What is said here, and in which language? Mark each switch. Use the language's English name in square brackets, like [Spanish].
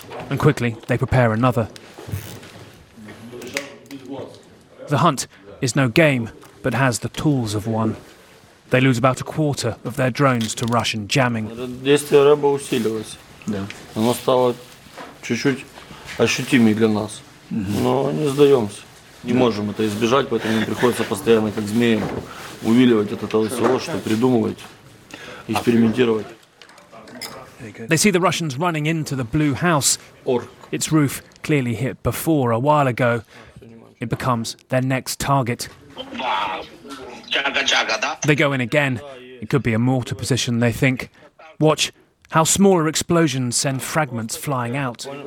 [English] And quickly, they prepare another. The hunt is no game, but has the tools of one. They lose about a quarter of their drones to Russian jamming. [Russian] Да. Она стала чуть-чуть ощутимее для нас. Но не сдаемся. Не можем это избежать, поэтому им приходится постоянно, как змеям, увиливать от этого всего, что придумывать, экспериментировать. [English] They see the Russians running into the blue house. Its roof clearly hit before a while ago. It becomes their next target. They go in again. It could be a mortar position, they think. Watch how smaller explosions send fragments flying out.